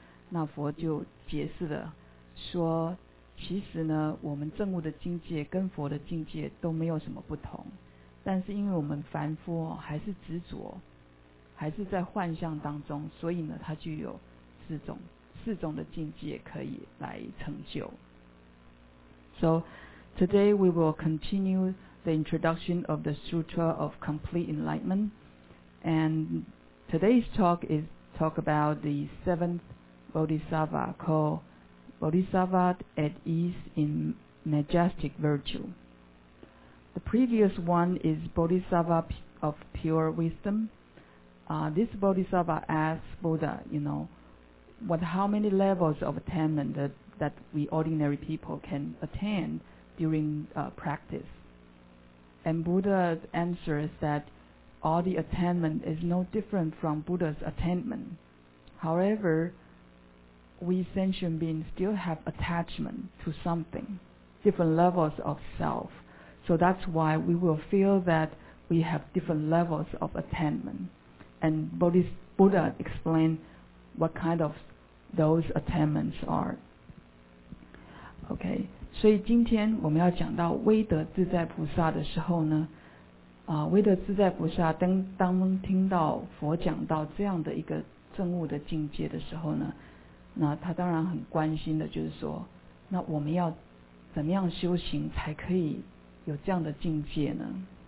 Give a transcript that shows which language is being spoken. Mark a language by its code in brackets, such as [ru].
[zh] 那佛就解释了说，其实呢我们证悟的境界跟佛的境界都没有什么不同，但是因为我们凡夫还是执着，还是在幻象当中，所以呢它具有四种的境界可以来成就。 [en] So today we will continue the introduction of the Sutra of Complete Enlightenment, and today's talk is talk about the seventh Bodhisattva called Bodhisattva at Ease in Majestic Virtue. The previous one is Bodhisattva of Pure Wisdom. This Bodhisattva asks Buddha, you know, how many levels of attainment that we ordinary people can attain during practice. And Buddha's answer is that all the attainment is no different from Buddha's attainment. However, we sentient beings still have attachment to something, different levels of self. So that's why we will feel that we have different levels of attainment. And Buddha explained what kind of those attainments are. Okay. [zh] 所以今天我们要讲到威德自在菩萨的时候呢，威德自在菩萨当听到佛讲到这样的一个证悟的境界的时候呢，那他当然很关心的就是说，那我们要怎么样修行才可以有这样的境界呢？